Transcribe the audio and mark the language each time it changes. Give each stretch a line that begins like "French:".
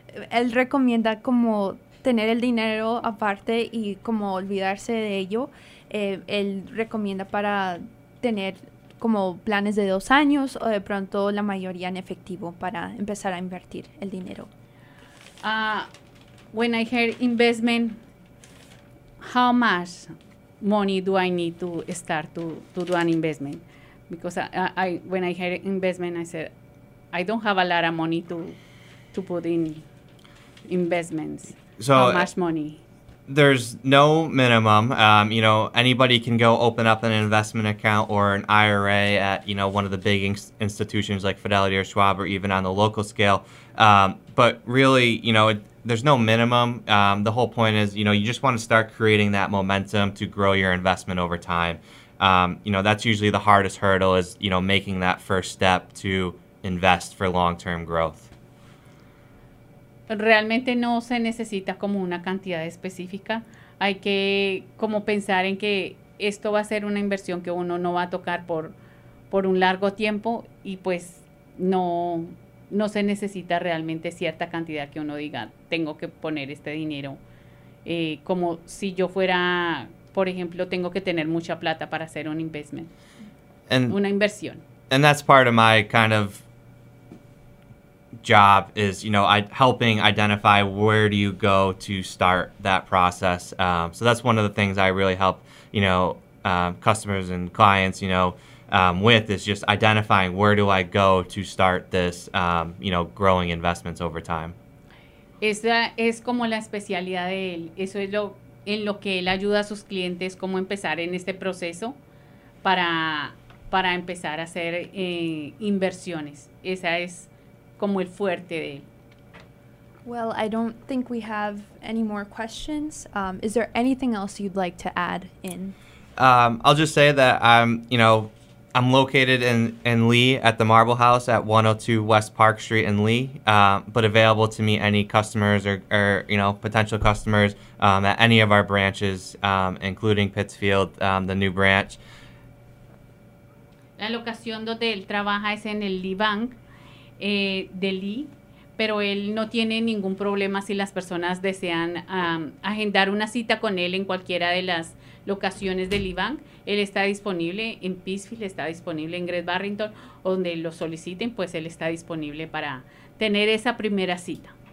Spanish: Él recomienda como tener el dinero aparte y como olvidarse de ello. Él recomienda para tener como planes de 2 años, o de pronto la mayoría en efectivo para empezar a invertir el dinero.
English: When I hear investment, how much money do I need to start to do an investment? Because when I hear investment, I said, I don't have a lot of money to put in investments. So how much money? There's no minimum. You know, anybody can go open up an investment account or an IRA at, you know, one of the big institutions like Fidelity or Schwab, or even on the local scale. But really, you know, there's no minimum. The whole point is, you know, you just want to start creating that momentum to grow your investment over time. You know, that's usually the hardest hurdle, is, you know, making that first step to invest for long-term growth.
Spanish: Realmente no se necesita como una cantidad específica. Hay que como pensar en que esto va a ser una inversión que uno no va a tocar por un largo tiempo, y pues no se necesita realmente cierta cantidad que uno diga, tengo que poner este dinero. Como si yo fuera, por ejemplo, tengo que tener mucha plata para hacer un investment. Una inversión.
English: And that's part of my kind of job, is, you know, helping identify where do you go to start that process. So that's one of the things I really help, you know, customers and clients, you know, with, is just identifying where do I go to start this, you know, growing investments over time.
Spanish: Esa es como la especialidad de él. Eso es en lo que él ayuda a sus clientes, cómo empezar en este proceso para empezar a hacer inversiones. Esa es como el fuerte de él.
English: Well, I don't think we have any more questions. Is there anything else you'd like to add in? I'll just say that I'm located in Lee at the Marble House at 102 West Park Street in Lee, but available to meet any customers or you know, potential customers at any of our branches, including Pittsfield, the new branch.
Spanish: La locación donde él trabaja es en el Lee Bank. De Lee, pero él no tiene ningún problema si las personas desean agendar una cita con él en cualquiera de las locaciones de Lee Bank. Él está disponible en Pittsfield, está disponible en Great Barrington, donde lo soliciten, pues él está disponible para tener esa primera cita.